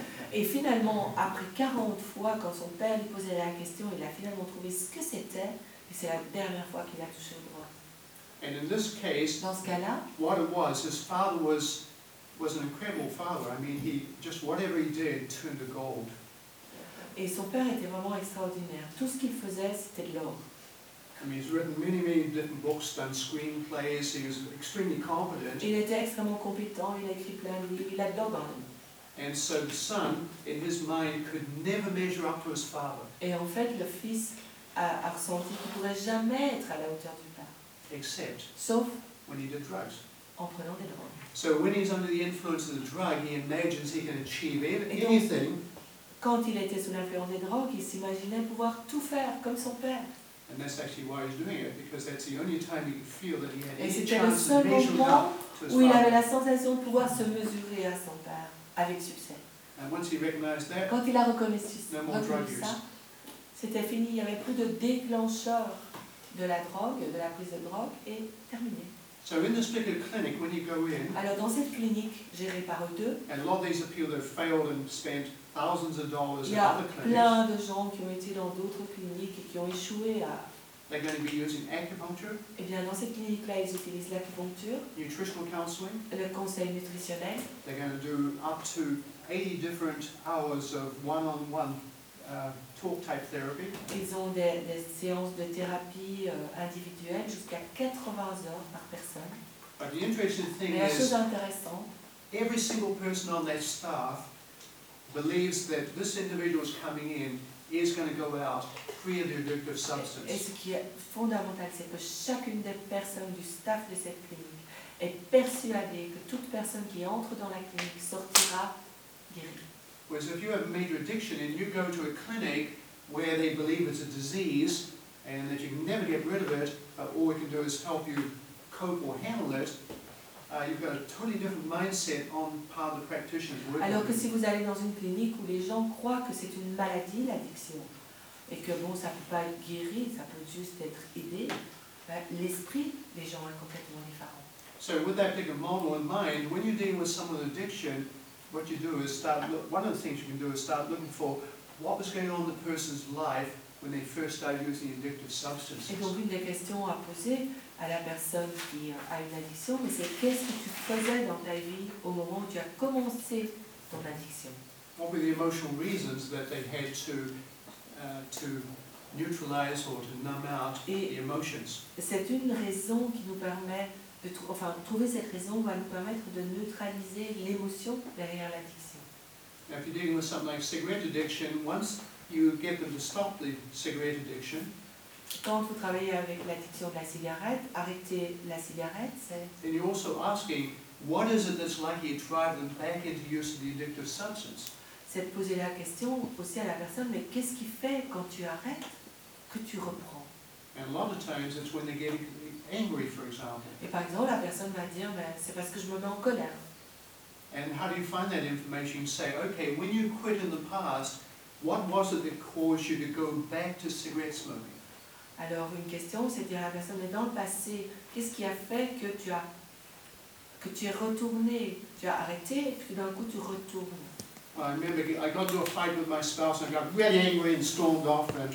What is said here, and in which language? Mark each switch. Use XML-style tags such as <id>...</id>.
<fr>Et finalement, après 40 fois, quand son père lui posait la question, il a finalement trouvé ce que c'était, et c'est la dernière fois qu'il a touché aux drogues.</fr> <en>And in this case,</en> <fr>dans ce cas-là,</fr> <en>what it was, his father was an incredible father. I mean, he just whatever he did turned to gold.</en> <fr>Et son père était vraiment extraordinaire. Tout ce qu'il faisait, c'était de l'or.</fr> <en>I mean, he's written many, many different books, done screenplays. He was extremely competent.</en> <fr>Il était extrêmement compétent. Il a écrit plein de livres. Il adore Barnum.</fr> <en>And so the son, in his mind, could never measure up to his father.</en> <fr>Et en fait, le fils a ressenti qu'il ne pourrait jamais être à la hauteur du père.</fr> <en>Except.</en> <fr>Sauf.</fr> <en>When he did drugs.</en> <fr>En prenant des drogues.</fr> <en>So when he's under the influence of the drug, he imagines he can achieve anything.</en> <fr>Quand il était sous l'influence des drogues, il s'imaginait pouvoir tout faire comme son père.</fr> <en>And that's actually why he's doing it, because that's the only time he could feel that he had</en> <fr>et</fr> <en>any</en> <fr>c'était</fr> <en>chance</en> <fr>le seul</fr> <en>to measure</en> <fr>moment</fr> <en>up</en> <fr>où il avait la sensation de pouvoir se mesurer à son père avec succès.</fr> <en>And once he recognized that,</en> <fr>quand il a reconnu ça, c'était fini. Il n'y avait plus de déclencheur de la drogue, de la prise de drogue, et terminé.</fr> <en>So in this particular clinic, when you go in,</en> <fr>alors dans cette clinique gérée par eux deux,</fr> <en>and a lot of these appeals have failed and spent thousands of dollars in other clinics.</en> <fr>Il y a plein de gens qui ont été dans d'autres cliniques et qui ont échoué à.</fr> <en>They're going to be using acupuncture.</en> <fr>Eh bien, dans cette clinique-là, ils utilisent l'acupuncture.</fr> <en>Nutritional counseling.</en> <fr>Le conseil nutritionnel.</fr> <en>They're going to do up to 80 different hours of one-on-one talk type therapy.</en> <fr>Ils ont des séances de thérapie individuelle jusqu'à 80 heures par personne.</fr> <en>But the interesting thing</en> <fr>mais la chose intéressante,</fr> <en>every single person on that staff believes that this individual is coming in is going to go out free of the addictive substance.</en> <fr>Et ce qui est fondamental, c'est que chacune des personnes du staff de cette clinique est persuadée que toute personne qui entre dans la clinique sortira guérie.</fr> <en>Whereas if you have a major addiction and you go to a clinic where they believe it's a disease and that you can never get rid of it, but all we can do is help you cope or handle it, you've got a totally different mindset on part of the practitioners working.</en> <fr>Alors que si vous allez dans une clinique où les gens croient que c'est une maladie, l'addiction, et que bon, ça ne peut pas être guéri, ça peut juste être aidé, ben, l'esprit des gens est complètement différent.</fr> <en>So with that particular model in mind, when you're dealing with someone with addiction, what you do is start. One of the things you can do is start looking for what was going on in the person's life when they first started using addictive substances.</en> <fr>Et donc une des questions à poser à la personne qui a une addiction, mais c'est qu'est-ce que tu faisais dans ta vie au moment où tu as commencé ton addiction?</fr> <en>What were the emotional reasons that they had to neutralize or to numb out</en> <fr>et</fr> <en>the emotions?</en> <fr>C'est une raison qui nous permet. Trouver cette raison va nous permettre de neutraliser l'émotion derrière l'addiction.</fr> <en>Now, if you're dealing with something like cigarette addiction, once you get them to stop the cigarette addiction,</en> <fr>quand vous travaillez avec l'addiction de la cigarette, arrêter la cigarette, c'est.</fr> <en>Then you're also asking, what is it that's likely to drive them back into use of the addictive substance?</en> <fr>C'est de poser la question aussi à la personne, mais qu'est-ce qui fait quand tu arrêtes que tu reprends?</fr> <en>And a lot of times, it's when they get angry, for example.</en> <fr>Et par exemple, la personne va dire, ben, c'est parce que je me mets en colère.</fr> <en>And how do you find that information? You say, okay, when you quit in the past, what was it that caused you to go back to cigarette smoking?</en> <fr>Alors, une question, c'est de dire à la personne, mais dans le passé, qu'est-ce qui a fait que tu es retourné, tu as arrêté, et puis d'un coup, tu retournes.</fr> <en>Well, I remember I got into a fight with my spouse and I got really angry and stormed off and</en>